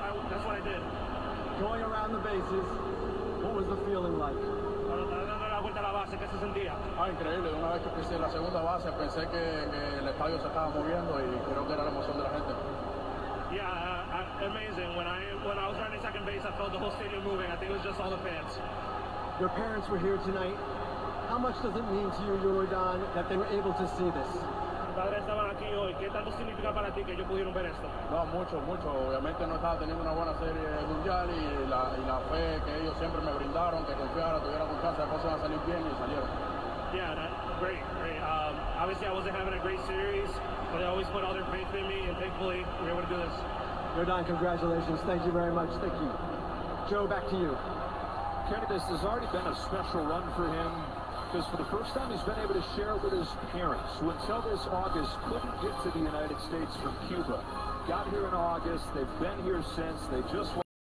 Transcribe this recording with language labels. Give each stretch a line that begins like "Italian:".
English: Going around the bases, what was the feeling like?
Spanish: Increíble. Una vez que pisé la segunda base, pensé que el estadio se estaba moviendo y creo que era la emoción de la gente.
English: Yeah, amazing. When I was running second base, I felt the whole stadium moving. I think it was just all the fans. Your parents were here tonight. How much does it mean to you, Rodon, that they were able to see this?
Spanish: padres estaban aquí hoy, ¿qué tanto significa para ti que ellos pudieron ver esto? No, mucho, mucho. Obviamente no estaba teniendo una buena serie mundial y la fe que ellos siempre me brindaron, que confiara, tuviera confianza, las cosas iban a salir bien y salieron.
English: Yeah, great. Obviously, I wasn't having a great series, but they always put all their faith in me, and thankfully, we were able to do this. Rodon, congratulations. Thank you very much. Thank you. Joe, back to you. Kenny, this has already been a special run for him, because for the first time, he's been able to share with his parents, who until this August couldn't get to the United States from Cuba. Got here in August. They've been here since. They just...